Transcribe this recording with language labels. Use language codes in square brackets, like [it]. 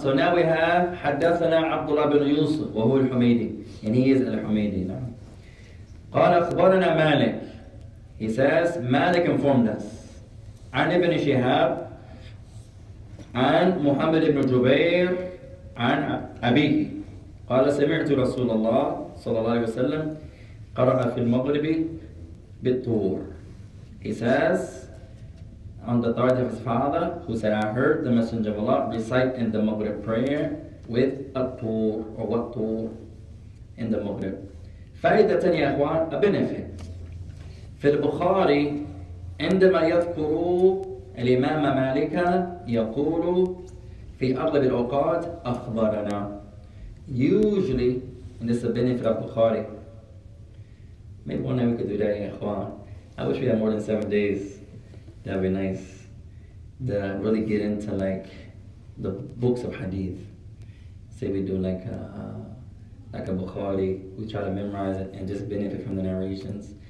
[en] So now we have [ar] حدثنا عبد الله بن يوسف وهو الحميدي. [en] And he is الحميدي. [ar] قال أخبرنا مالك. [en] He says, Malik informed us. [ar] عن ابن شهاب. عن محمد بن جبير عن أبيه قال سمعت رسول الله صلى الله عليه وسلم قرأ في المغرب بالطور. [en] He says, on the authority of his father, who said, I heard the Messenger of Allah recite in the Maghrib prayer with a tour or what tour in the Maghrib. Faidatan ya akhwan, a benefit. [ar] Fi al-Bukhari, عندما يذكر الإمام مالك يقول في أغلب الأوقات أخبرنا. [en] Usually, and this is a benefit of Bukhari. Maybe one day we could do that, ya akhwan. I wish we had more than 7 days. That'd be nice to really get into like the books of hadith. Say we do like a Bukhari, we try to memorize it and just benefit from the narrations.